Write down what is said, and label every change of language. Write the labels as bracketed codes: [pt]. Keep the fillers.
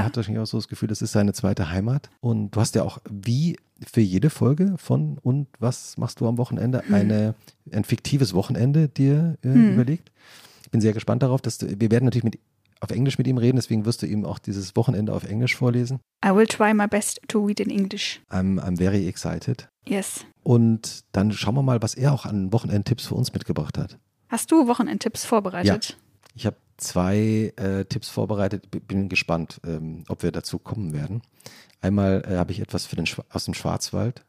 [de] er hat wahrscheinlich auch so das Gefühl, das ist seine zweite Heimat. Und du hast ja auch wie für jede Folge von und was machst du am Wochenende eine, ein fiktives Wochenende dir äh, Hm. überlegt. Ich bin sehr gespannt darauf, dass du, wir werden natürlich mit, auf Englisch mit ihm reden, deswegen wirst du ihm auch dieses Wochenende auf Englisch vorlesen. [en] I will try my best to read in English. I'm, I'm very excited. Yes. [de] Und dann schauen wir mal, was er auch an Wochenendtipps für uns mitgebracht hat. Hast du Wochenendtipps vorbereitet? Ich habe zwei äh, Tipps vorbereitet, B- bin gespannt, ähm, ob wir dazu kommen werden. Einmal äh, habe ich etwas für den Schwa- aus dem Schwarzwald,